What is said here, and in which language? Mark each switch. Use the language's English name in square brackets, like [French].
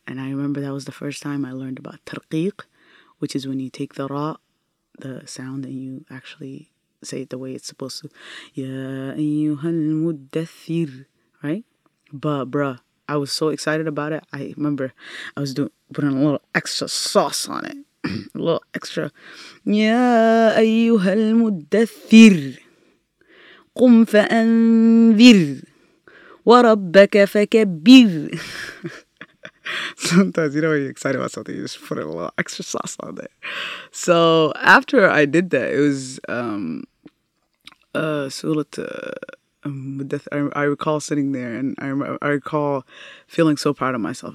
[English] And I remember that was the first time I learned about tarqiq, which is when you take the ra, the sound, and you actually say it the way it's supposed to. [Arabic] Ya ayyuhal muddathir, right? [English] Bruh, I was so excited about it. I remember I was putting a little extra sauce on it. A little extra. [Arabic] Ya ayyuhal muddathir, قُمْ فَأَنذِرْ وَرَبَّكَ فَكَبِّرْ. [English] Sometimes, you know, when you're excited about something, you just put a little extra sauce on there. So after I did that, it was Surah Al-Muddathir. I recall sitting there, and I recall feeling so proud of myself.